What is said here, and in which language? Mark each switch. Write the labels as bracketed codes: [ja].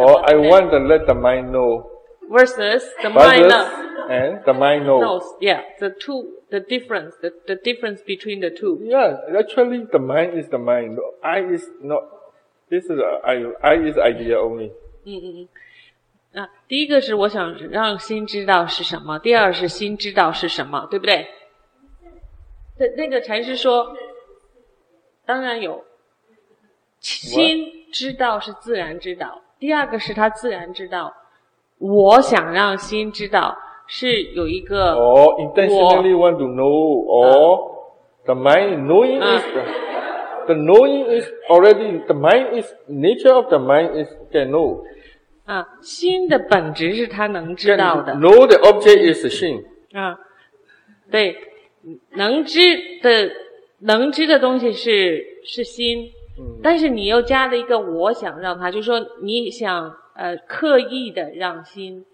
[en] Oh, I want to let the mind know. Versus the mind knows. And the mind knows. Knows, yeah. The difference between the two. Yeah, actually the mind is the mind. I is not, this is I is idea only. [zh] 第一个是我想让心知道是什么，第二是心知道是什么，对不对？那个禅师说，当然有。心知道是自然知道，第二个是他自然知道。我想让心知道是有一个 [en] 哦、intentionally want to know or、the mind knowing is the knowing is already the mind is nature of the mind is can know [zh] 啊，心的本质是他能知道的。 [en] Can know the object is 心 [zh] 啊，对，能知的东西是心。但是你又加了一个我想让他，就是说你想刻意的让心